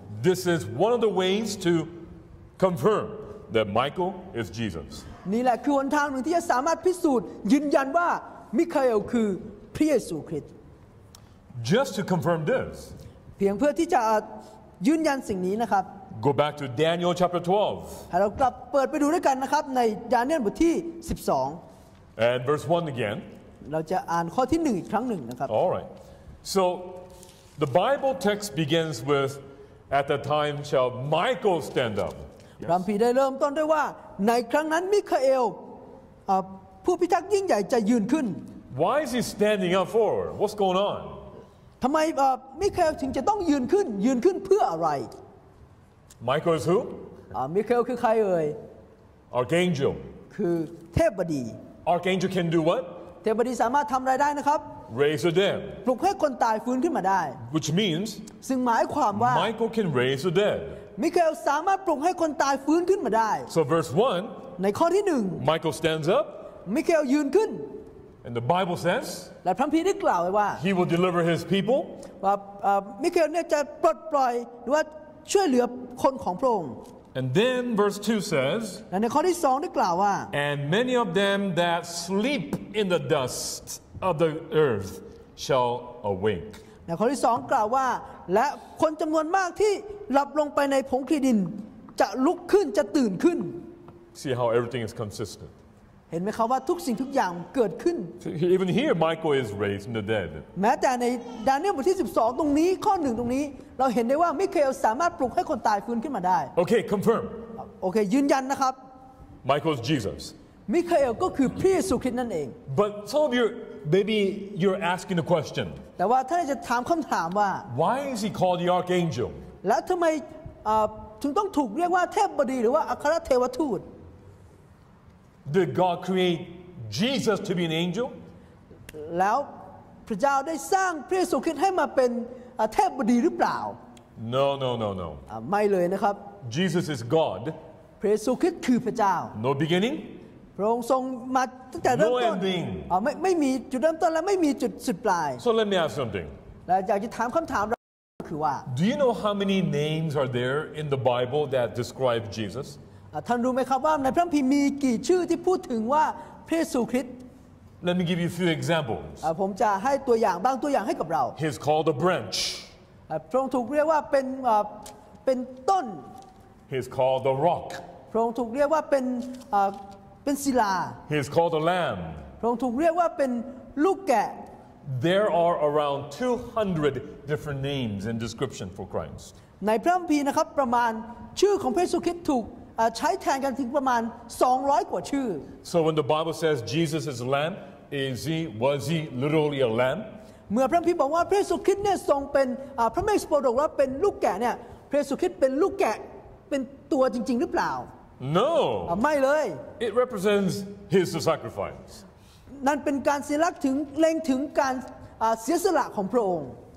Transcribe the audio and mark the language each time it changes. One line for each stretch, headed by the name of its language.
English: This is one of the ways to confirm that Michael is Jesus
Thai: นี่แหละคือหนทางหนึ่งที่จะสามารถพิสูจน์ยืนยันว่ามิคาเอลคือพระเยซูคริสต์
English: Just to confirm this
Thai: เพียงเพื่อที่จะยืนยันสิ่งนี้นะครับ
English: Go back to Daniel chapter 12
Thai: ให้เรากลับเปิดไปดูด้วยกันนะครับในดาเนียลบทที่12
English: And verse 1 again
Thai: เราจะอ่านข้อที่1อีกครั้งหนึ่งนะครับ
English: All right. So the Bible text begins with at the time shall Michael stand up.
Thai: คัมภีร์ได้เริ่มต้นด้วยว่าในครั้งนั้นมิคาเอลผู้พิทักษ์ยิ่งใหญ่จะยืนขึ้น
English: Why is he standing up for? What's going on?
Thai: ทำไมมิคาเอลถึงจะต้องยืนขึ้นเพื่ออะไร
English: Michael is who?
Thai: มิคาเอลคือใครเอ่ย
English: Archangel.
Thai: คือเทพบดี
English: Archangel can do what?
Thai: เทพบดีสามารถทำอะไรได้นะครับ
English: Raise the dead
Thai: ปลุกให้คนตายฟื้นขึ้นมาได้
English: Which means
Thai: ซึ่งหมายความว่า
English: Michael can raise the dead
Thai: มิคาเอลสามารถปลุกให้คนตายฟื้นขึ้นมาได้
English: So verse 1
Thai: ในข้อที่1
English: Michael stands up
Thai: มิคาเอลยืนขึ้น
English: And the Bible says
Thai: และพระคัมภีร์ได้กล่าวไว้ว่า
English: He will deliver his people
Thai: ว่ามิคาเอลเนี่ยจะปลดปล่อยหรือว่าช่วยเหลือคนของพระองค์
English: And then verse 2 says,
Thai: และในข้อที่2ได้กล่าวว่า
English: And many of them that sleep in the dust of the earth shall awake.
Thai: ในข้อที่2กล่าวว่าและคนจำนวนมากที่หลับลงไปในผงคลีดินจะลุกขึ้นจะตื่นขึ้น
English: See how everything is consistent.
Thai: เห็นไหมครับว่าทุกสิ่งทุกอย่างเกิดขึ้น
English: Even here Michael is raised from the dead.
Thai: แม้แต่ในดาเนียลบทที่12ตรงนี้ข้อ1ตรงนี้เราเห็นได้ว่ามิคาเอลสามารถปลุกให้คนตายฟื้นขึ้นมาได้โอเค
English: confirm
Thai: โอเคยืนยันนะครับ
English: Michael's Jesus
Thai: มิคาเอลก็คือพระเยซูคริสต์นั่นเอง
English: But some of you maybe you're asking a question
Thai: แต่ว่าท่านจะถามคำถามว่า
English: Why is he called the archangel
Thai: และทำไมถึงต้องถูกเรียกว่าเทพบดีหรือว่าอัครเทวทูต
English: Did God create Jesus to be an angel
Thai: แล้วพระเจ้าได้สร้างพระเยซูคริสต์ให้มาเป็นเทพบดีหรือเปล่า
English: No.
Thai: ไม่เลยนะครับ
English: Jesus is God
Thai: พระเยซูคริสต์คือพระเจ้า
English: No beginning
Thai: พระองค์ทรงมาตั้งแต่เริ่ มต้น
English: No ending
Thai: ไม่มีจุดเริ่มต้นและไม่มีจุดสุดปลาย
English: So let me ask something
Thai: และอยากจะถามคำถามเราคือว่า
English: Do you know how many names are there in the Bible that describe Jesus
Thai: ท่านรู้ไหมครับว่าในพระคัมภีร์มีกี่ชื่อที่พูดถึงว่าพระเยซูคริสต์
English: Let me give you a few examples.
Thai: ผมจะให้ตัวอย่างบางตัวอย่างให้กับเรา
English: He's called a branch.
Thai: พระองค์ถูกเรียกว่าเป็นต้น
English: He's called a rock.
Thai: พระองค์ถูกเรียกว่าเป็นศิลา
English: He's called a lamb.
Thai: พระองค์ถูกเรียกว่าเป็นลูกแกะ
English: There are around 200 different names and descriptions for Christ.
Thai: ในพระคัมภีร์นะครับประมาณชื่อของพระเยซูคริสต์ถูกใช้แทนกันถึงประมาณ200กว่าชื่อ
English: So when the Bible says Jesus is lamb is he was he literally a lamb
Thai: เมื่อพระคัมภีร์บอกว่าพระเยซูคริสต์เนี่ยทรงเป็นพระเมสสิโปรดหรือว่าเป็นลูกแกะเนี่ยพระเยซูคริสต์เป็นลูกแกะเป็นตัวจริงๆหรือเปล่า
English: No
Thai: ไม่เลย
English: It represents his sacrifice
Thai: นั่นเป็นการสัญลักษณ์ถึงเล็งถึงการเสียสละของพระองค์